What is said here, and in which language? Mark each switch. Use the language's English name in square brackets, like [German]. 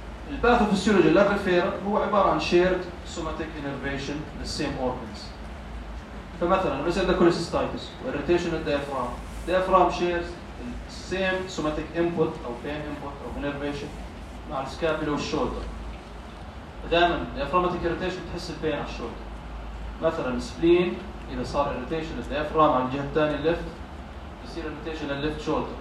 [Arabic] الباثوفيسيولوجي للريفير هو عبارة عن shared somatic innervation للsame organs. [English] فمثلاً مثل the cholecystitis والirritation of the diaphragm. Diaphragm shares the same somatic input أو pain input أو innervation مع scapula والshoulder. دائماً diaphragmatic irritation تحس pain على الshoulder. [Arabic] مثلاً spleen إذا صار irritation of the diaphragm على الجهة الثانية left يصير irritation of the left shoulder.